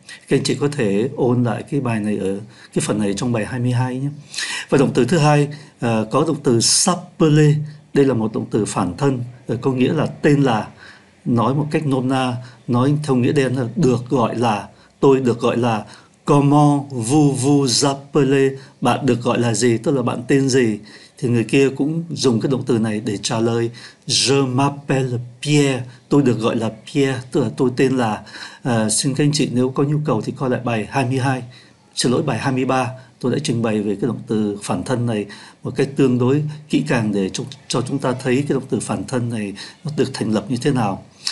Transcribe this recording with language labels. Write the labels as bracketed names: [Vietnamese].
[Vietnamese] Các anh chị có thể ôn lại cái bài này ở cái phần này trong bài 22 nhé. Và động từ thứ hai có động từ s'appeler. Đây là một động từ phản thân, có nghĩa là tên là. Nói một cách nôm na, nói theo nghĩa đen là được gọi là. Tôi được gọi là. [French] Comment vous vous appelez? [Vietnamese] Bạn được gọi là gì? Tức là bạn tên gì? Thì người kia cũng dùng cái động từ này để trả lời. [French] Je m'appelle Pierre. [Vietnamese] Tôi được gọi là Pierre. Tức là tôi tên là. Xin các anh chị nếu có nhu cầu thì coi lại bài 22. Xin lỗi, bài 23. Tôi đã trình bày về cái động từ phản thân này một cách tương đối kỹ càng để cho chúng ta thấy cái động từ phản thân này nó được thành lập như thế nào.